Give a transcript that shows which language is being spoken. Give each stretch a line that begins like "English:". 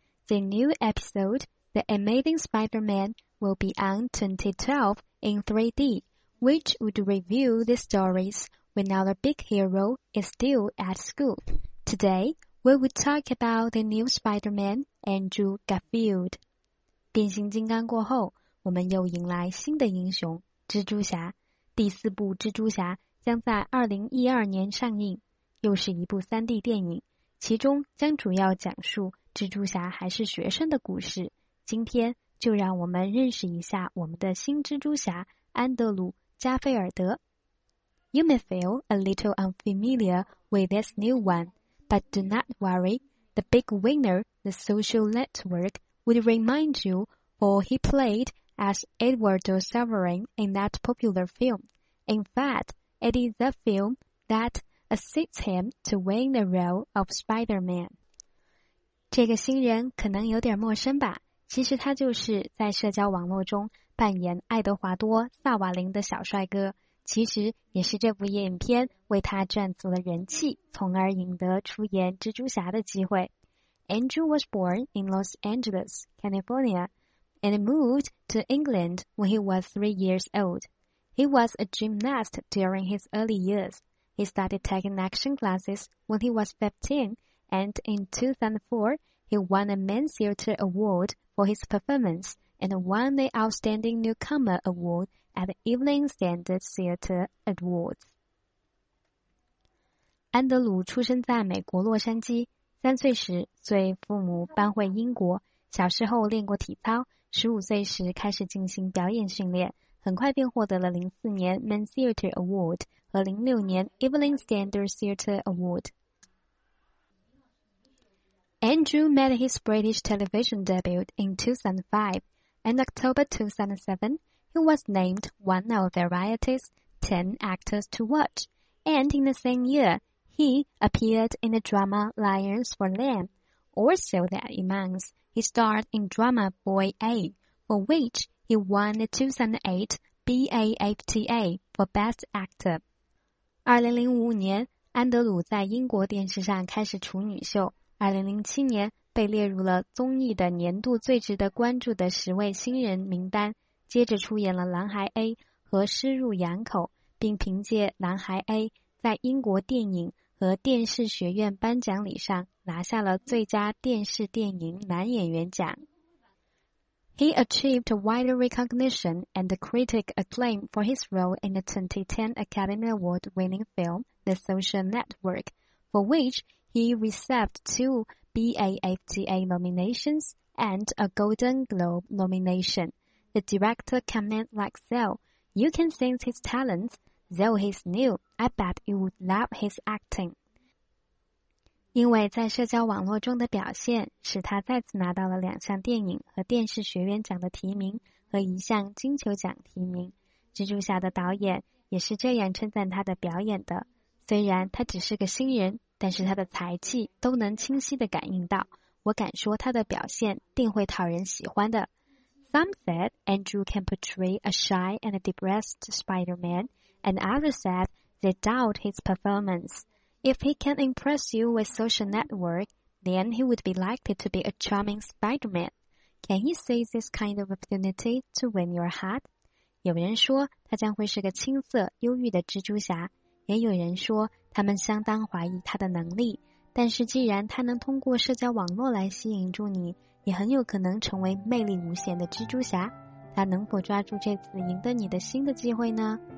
English: The new episode, The Amazing Spider-Man, will be on 2012 in 3D, which would reveal the stories when our big hero is still at school. Today, we will talk about the new Spider-Man, Andrew Garfield.
Chinese: 变形金刚过后，我们又迎来新的英雄，蜘蛛侠。第四部蜘蛛侠将在2012年上映，又是一部 3D 电影，其中将主要讲述蜘蛛侠还是学生的故事。今天就让我们认识一下我们的新蜘蛛侠安德鲁·加菲尔德。
English: You may feel a little unfamiliar with this new one, but do not worry, the big winner, The Social Network, would remind you for he played as Eduardo Severin in that popular film. In fact,It is the film that assists him to win the role of Spider-Man.
Chinese: 这个新人可能有点陌生吧，其实他就是在社交网络中扮演爱德华多·萨瓦林的小帅哥，其实也是这部影片为他赚足了人气，从而赢得出演蜘蛛侠的机会。
English: Andrew was born in Los Angeles, California, and moved to England when he was 3 years old. He was a gymnast during his early years. He started taking action classes when he was 15, and in 2004, he won a Men's Theatre Award for his performance and won the Outstanding Newcomer Award at the Evening Standard Theatre Awards.
Chinese: 安德鲁出生在美国洛杉矶，三岁时随父母搬回英国，小时候练过体操，十五岁时开始进行表演训练。很快便获得了04年 Men's Theatre Award 和06年 Evening Standard Theatre Award.
English: Andrew made his British television debut in 2005. In October 2007, he was named one of Variety's 10 actors to watch. And in the same year, he appeared in the drama Lions for Lamb. Also that month, he starred in drama Boy A, for whichHe won the 2008 BAFTA for Best Actor.
Chinese: 2005年，安德鲁在英国电视上开始处女秀。 2007年，被列入了综艺的年度最值得关注的十位新人名单。接着出演了《男孩 A》和《尸入羊口》，并凭借《男孩 A》在英国电影和电视学院颁奖礼上拿下了最佳电视电影男演员奖。
English: He achieved wider recognition and critic acclaim for his role in the 2010 Academy Award-winning film, The Social Network, for which he received 2 BAFTA nominations and a Golden Globe nomination. The director comments like so, You can sense his talents, though he's new, I bet you would love his acting.
Chinese: 因为在社交网络中的表现使他再次拿到了两项电影和电视学院奖的提名和一项金球奖提名。蜘蛛侠的导演也是这样称赞他的表演的。虽然他只是个新人，但是他的才气都能清晰地感应到，我敢说他的表现定会讨人喜欢的。
English: Some said Andrew can portray a shy and depressed Spider-Man, and others said they doubt his performance. If he can impress you with Social Network, then he would be likely to be a charming Spider-Man. Can he seize this kind of opportunity to win your heart?
Chinese: 有人说他将会是个青涩、忧郁的蜘蛛侠，也有人说他们相当怀疑他的能力。但是既然他能通过社交网络来吸引住你，也很有可能成为魅力无限的蜘蛛侠。他能否抓住这次赢得你的心的机会呢？